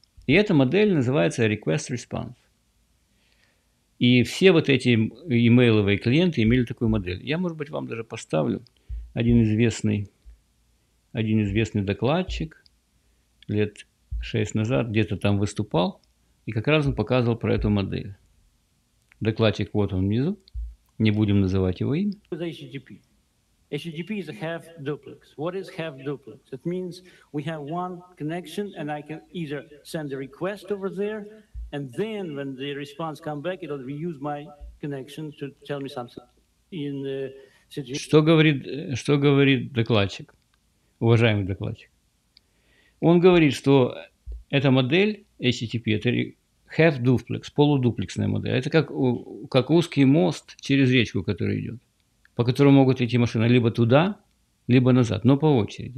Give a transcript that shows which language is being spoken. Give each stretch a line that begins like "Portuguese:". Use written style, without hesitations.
Russian: И эта модель называется Request Response. И все вот эти имейловые клиенты имели такую модель. Я, может быть, вам даже поставлю один известный докладчик, лет 6 назад где-то там выступал, и как раз он показывал про эту модель. Докладчик, вот он внизу, не будем называть его имя.
English: HTTP. HTTP is a half duplex. What is half duplex? It means we have one connection, and I can either send a request over there, and then when the response comes back, it'll reuse my connection to tell me something. In the situation.
Russian: Что говорит докладчик, уважаемый докладчик? Он говорит, что эта модель HTTP, это half duplex, полудуплексная модель. Это как узкий мост через речку, которая идет, по которому могут идти машины либо туда, либо назад, но по очереди.